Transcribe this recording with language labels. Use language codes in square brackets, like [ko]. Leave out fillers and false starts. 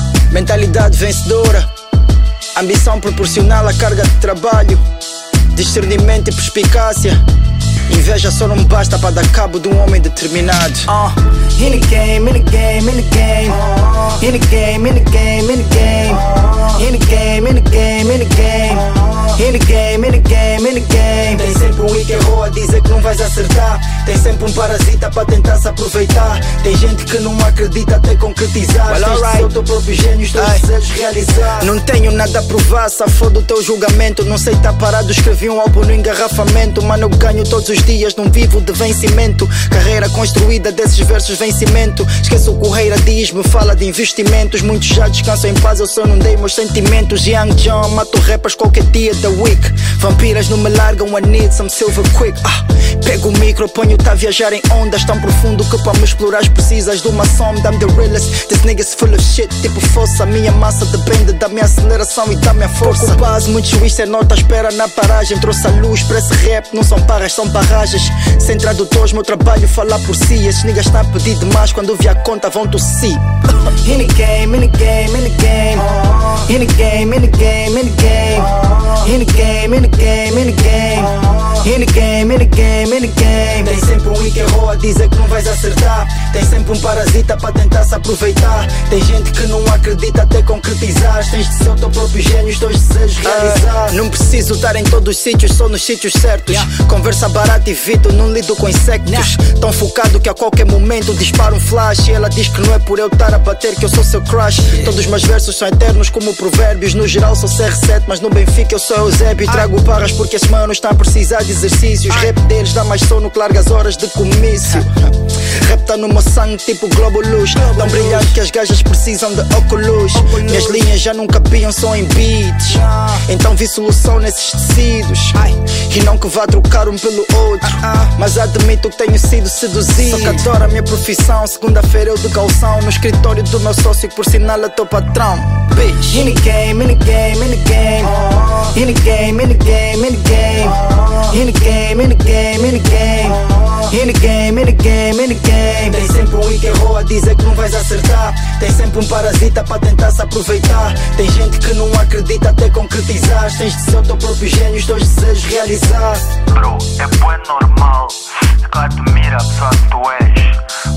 [pt] Mentalidade vencedora. Ambição proporcional à carga de trabalho. Discernimento e perspicácia. Inveja só não basta para dar cabo de um homem determinado. [en] In the game, in the game, in the game. In the game, in the game, in the game. In the game, in the game, in the game. In the game, in the game, in the game. [pt] Tem sempre um wicked roa a dizer que não vais acertar. Tem sempre um parasita para tentar se aproveitar. Tem gente que não acredita até concretizar. [en] Well, right. [pt] Sou teu próprio gênio, os teus desejos realizar. Não tenho nada a provar, se foda o teu julgamento. Não sei estar parado, escrevi um álbum no engarrafamento. Mano, eu ganho todos os dias, não vivo de vencimento. Carreira construída desses versos, vencimento. Esqueço o correira, diz-me, fala de investimentos. Muitos já descansam em paz, eu só não dei meus sentimentos. Young John, mato rappers qualquer dia [en] the week. [pt] Vampiras não me largam, [en] I need some silver quick. [pt] Pego o micro, ponho-te a viajar em ondas tão profundo que para me explorar precisas de uma sonda. [en] I'm the realest, this nigga's full of shit. [pt] Tipo força, minha massa depende da minha aceleração e da minha força. Pouco base, muito juízo, é nota, espera na paragem. Trouxe a luz para esse rap, não são parras, são barragens. Sem tradutores, meu trabalho fala por si. Esses niggas estão a pedir demais, quando vi a conta vão tossir. [en] In the game, in the game, in the game. In the game, in the game, in the game. In the game, in the game, in the game. In the game, in the game, in the game. [pt] Tem sempre um wicked roa a dizer que não vais acertar. Tem sempre um parasita para tentar se aproveitar. Tem gente que não acredita até concretizar. Tens de ser o teu próprio gênio, os teus desejos realizar. Não preciso estar em todos os sítios, só nos sítios certos. Yeah. Conversa barata e vito, não lido com insectos. Yeah. Tão focado que a qualquer momento dispara um flash. E ela diz que não é por eu estar a bater que eu sou seu crush. Yeah. Todos os meus versos são eternos como provérbios. No geral sou CR7, mas no Benfica eu sou Eusébio. E trago barras porque esse mano está a precisar de exercícios. Rap deles dá mais sono que larga as horas de comício. Rap tá no meu sangue tipo globo luz. Tão brilhante que as gajas precisam de óculos. Minhas linhas já não cabiam só em beats. Então vi solução nesses tecidos. E não que vá trocar um pelo outro. Mas admito que tenho sido seduzido. Só que adoro a minha profissão. Segunda-feira eu de calção. No escritório do meu sócio, por sinal é teu patrão. [en] Bitch. In the game, in the game, in the game. In the game, in the game, in the game. In the game, in the game, in the game. In the game, in the game, in the game. [pt] Tem sempre um wicked roa a dizer que não vais acertar. Tem sempre um parasita para tentar se aproveitar. Tem gente que não acredita até concretizar. Tens de ser o teu próprio gênio, os teus desejos realizar. Bro, é bué normal que admira a pessoa que tu és.